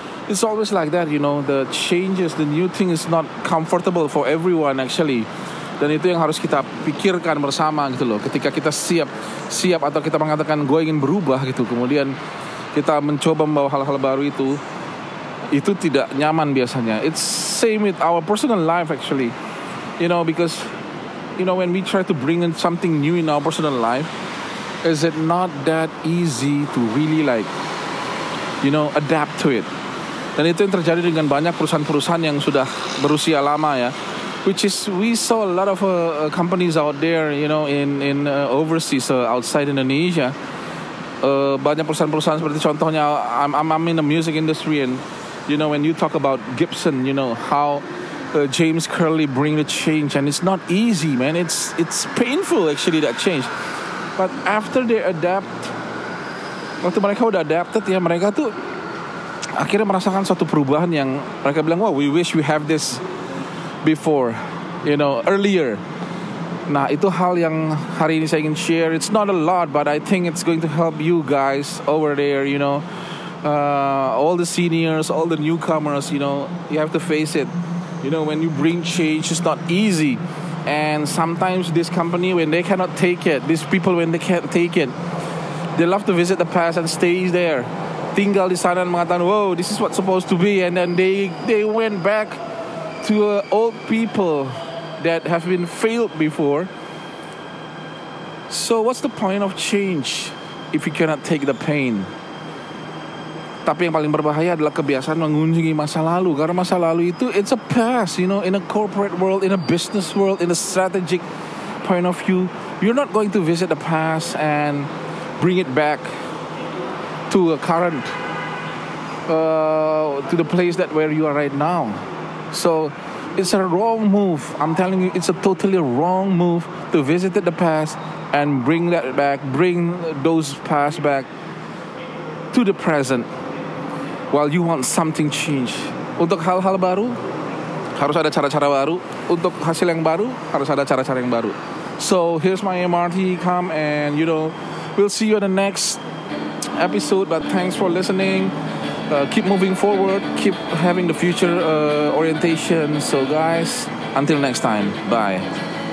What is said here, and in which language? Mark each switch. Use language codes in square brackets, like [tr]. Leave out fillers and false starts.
[en] It's always like that, you know, the changes, the new thing is not comfortable for everyone actually. [id] Dan itu yang harus kita pikirkan bersama gitu loh. Ketika kita siap atau kita mengatakan gue ingin berubah gitu, kemudian kita mencoba membawa hal-hal baru itu tidak nyaman biasanya. [en] It's same with our personal life actually. You know, because you know, when we try to bring in something new in our personal life, is it not that easy to really like, you know, adapt to it? [id] Dan itu yang terjadi dengan banyak perusahaan-perusahaan yang sudah berusia lama ya. [en] Which is, we saw a lot of companies out there, you know, in overseas, outside Indonesia. [id] Banyak perusahaan-perusahaan seperti contohnya, [en] I'm in the music industry, and you know, when you talk about Gibson, you know, how James Curley bring the change, and it's not easy, man. It's painful, actually, that change. But after they adapt, [id] waktu mereka udah adapted ya, mereka tuh akhirnya merasakan suatu perubahan yang mereka bilang, [en] wow, we wish we have this before, you know, earlier. [id] Nah, itu hal yang hari ini saya ingin share. [en] It's not a lot, but I think it's going to help you guys over there, you know. All the seniors, all the newcomers, you know, you have to face it. You know, when you bring change, it's not easy. And sometimes this company, when they cannot take it, these people, when they can't take it, they love to visit the past and stay there. [id] Tinggal di sana dan mengatakan, [en] wow, this is what supposed to be. And then they went back to old people that have been failed before. So what's the point of change if you cannot take the pain? [id] Tapi yang paling berbahaya adalah kebiasaan mengunjungi masa lalu. Karena masa lalu itu, [en] it's a past, you know, in a corporate world, in a business world, in a strategic point of view. You're not going to visit the past and bring it back to a current, to the place that where you are right now. So it's a wrong move. I'm telling you, it's a totally wrong move to visit the past and bring that back, bring those past back to the present while you want something change. [id] Untuk hal-hal baru, harus ada cara-cara baru. Untuk hasil yang baru, harus ada cara-cara yang baru. [en] So here's my MRT, come and, you know, we'll see you in the next episode, but thanks for listening. Keep moving forward, keep having the future orientation. So guys, until next time, bye.